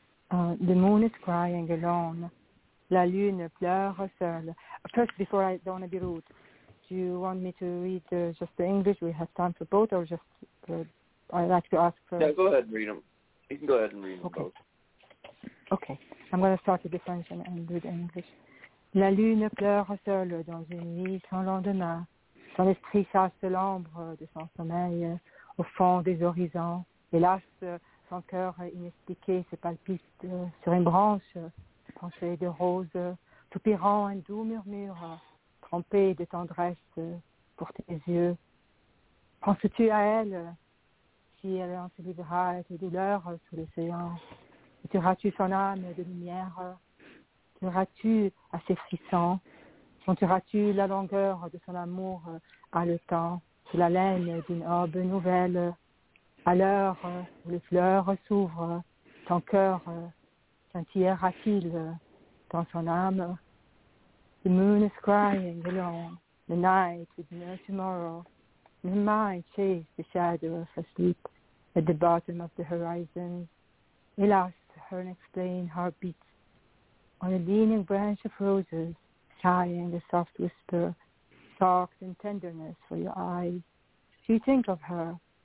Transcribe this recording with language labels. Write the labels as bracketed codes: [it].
[en] The moon is crying alone. [fr] La lune pleure seule. [en] First, before I don't want to be rude, do you want me to read just the English? We have time for both, or just I'd like to ask for... Yeah, go ahead and read them. You can go ahead and read them okay. both. Okay. I'm going to start with the French and do the English. [fr] La lune pleure seule dans une nuit sans lendemain. Son esprit chasse l'ombre de son sommeil au fond des horizons. Hélas, son cœur inexpliqué se palpite sur une branche penchée de rose, soupirant un doux murmure trempé de tendresse pour tes yeux. Penses-tu à elle, si elle en survivra à tes douleurs sous l'océan? Tueras-tu son âme de lumière? Tueras-tu à ses frissons? Sentiras-tu la longueur de son amour haletant sous la laine d'une aube nouvelle? À l'heure où les fleurs s'ouvrent, ton cœur scintillera-t-il dans son âme? [en] The moon is crying alone, the night with no tomorrow. My mind chased the shadow of her sleep at the bottom of the horizon. Hélas, her unexplained heartbeat on a leaning branch of roses, sighing a soft whisper, soft and tenderness for your eyes. Do you think of her?